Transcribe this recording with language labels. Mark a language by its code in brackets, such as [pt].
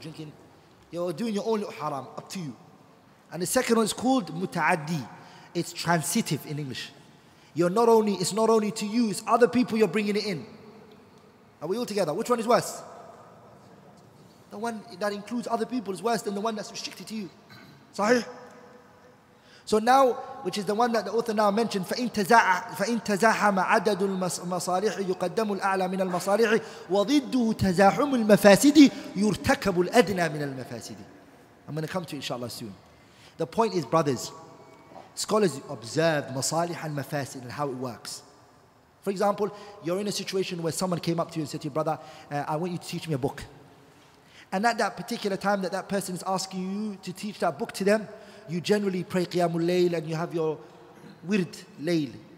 [en] You're drinking, you're doing your own little haram, up to you. And the second one is called muta'addi. It's transitive in English. You're not only, it's not only to you, it's other people you're bringing it in. Are we all together? Which one is worse? The one that includes other people is worse than the one that's restricted to you. Sahih? So now, which is the one that the author now mentioned, [ar] فَإِنْ تَزَاحَمَ عَدَدُ الْمَصَالِحِ يُقَدَّمُ الْأَعْلَى مِنَ الْمَصَالِحِ وَضِدُّهُ تَزَاحُمُ الْمَفَاسِدِ يُرْتَكَبُ الْأَدْنَى مِنَ الْمَفَاسِدِ. [en] I'm going to come to inshallah soon. The point is, brothers, scholars observe masalih and mafasid and how it works. For example, you're in a situation where someone came up to you and said to you, brother, I want you to teach me a book. And at that particular time that person is asking you to teach that book to them, you generally pray Qiyamul Layl and you have your wird layl.